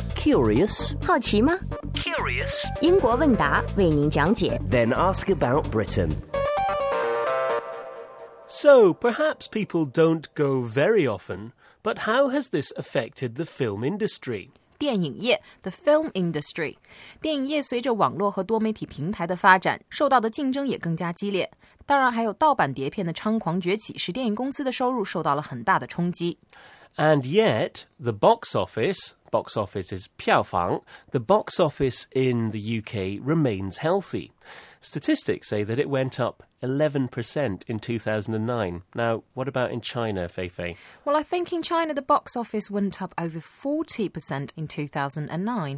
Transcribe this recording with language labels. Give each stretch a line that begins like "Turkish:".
English: Curious?
Chinese: 好奇吗
English: Curious?
Chinese: 英国问答为您讲解
English: Then ask about Britain. So, perhaps people don't go very often, but how has this affected the film industry?
Chinese: 电影业
English: the film industry.
Chinese: 电影业随着网络和多媒体平台的发展，受到的竞争也更加激烈。当然还有盗版碟片的猖狂崛起，使电影公司的收入受到了很大的冲击。
English: And yet, the box office is 票房, the box office in the UK remains healthy. Statistics say that it went up 11% in 2009. Now, what about in China, Feifei? Well, I think in China, the box office went up over 40% in 2009.